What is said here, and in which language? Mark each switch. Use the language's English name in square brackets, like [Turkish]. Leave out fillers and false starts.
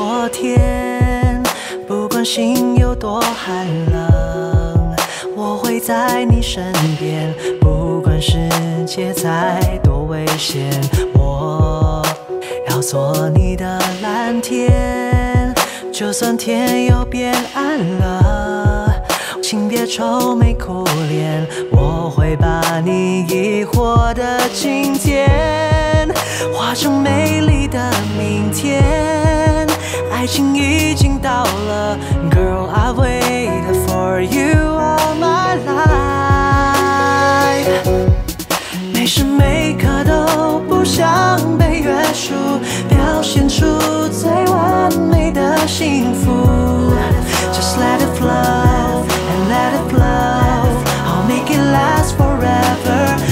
[Chinese] 天，不管心有多寒冷，我会在你身边，不管世界再多危险，我要做你的蓝天。就算天又变暗了，请别愁眉苦脸，我会把你疑惑的今天化成美丽的明天。爱情已经到了 [English] Girl, I wait for you all my life。 [Chinese] 每时每刻都不想被约束，表现出最完美的幸福。 [English] Just let it flow and let it flow, I'll make it last forever。